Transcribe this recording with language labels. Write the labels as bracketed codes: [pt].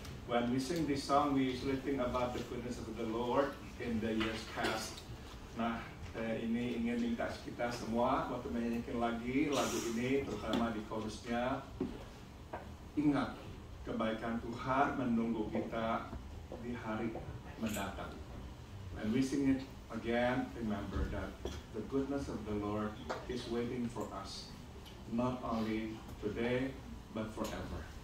[en] When we sing this song, we usually think about the goodness of the Lord in the years past. [id] Nah, ini ingin minta kita semua waktu menyanyikan lagi lagu ini, terutama di chorusnya, ingat kebaikan Tuhan menunggu kita di hari mendatang. [en] When we sing it again, remember that the goodness of the Lord is waiting for us, not only today, but forever.